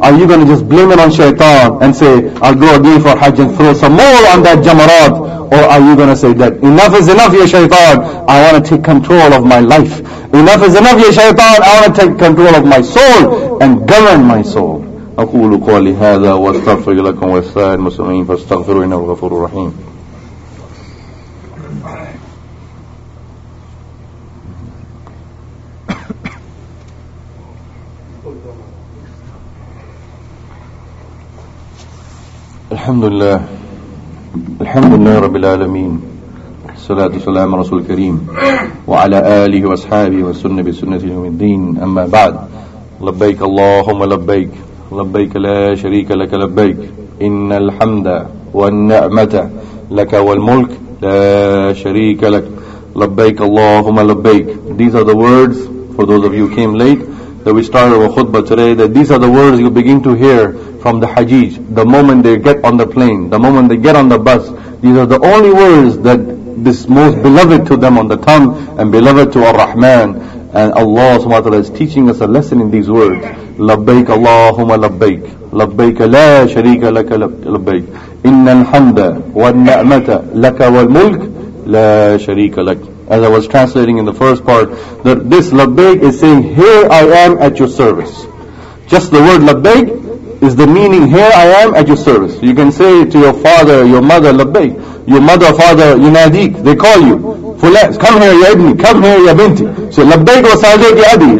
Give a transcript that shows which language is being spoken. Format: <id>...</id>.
<en>Are you going to just blame it on shaitan and say, I'll go again for Hajj and throw some more on that Jamarat? Or are you going to say that, enough is enough,</en> <ar>ya shaitan,</ar> <en>I want to take control of my life. Enough is enough,</en> <ar>ya shaitan,</ar> <en>I want to take control of my soul and govern my soul.</en> <ar>أقول قولي هذا واستغفر لكم وسائر المسلمين فاستغفروا إنه الغفور الرحيم. Alhamdulillah Rabbil Alameen Salatu Salam Rasul Kareem Wa Ala Alihi Wa Ashabihi Wa Sunnah Bi Sunnati Yawmid Deen Amma Ba'd Labbaik Allahumma Labbaik Labbaik La Sharika Laka Labbaik Innal Hamda Wa Ni'mata Laka Wal Mulk La Sharika Laka Labbaik Allahumma Labbaik</ar> <en>These are the words for those of you who came late, that we started our khutbah today, that these are the words you begin to hear from the Hajjaj the moment they get on the plane, the moment they get on the bus. These are the only words that this most beloved to them on the tongue and beloved to Ar-Rahman. And Allah subhanahu wa ta'ala is teaching us a lesson in these words.</en> <ar>لبيك اللهم لبيك لبيك لا شريك لك لبيك إن الحمد والنعمة لك والملك لا شريك لك.</ar> <en>As I was translating in the first part, that this لبيك is saying, here I am at your service. Just the word لبيك is the meaning, here I am at your service. You can say to your father, your mother, لبيك. Your mother, father, يناديك, they call you. Come here,</en> <ar>ya ibni.</ar> <en>Come here,</en> <ar>ya binti. So, labbaik wa sa'alik ya abi.</ar>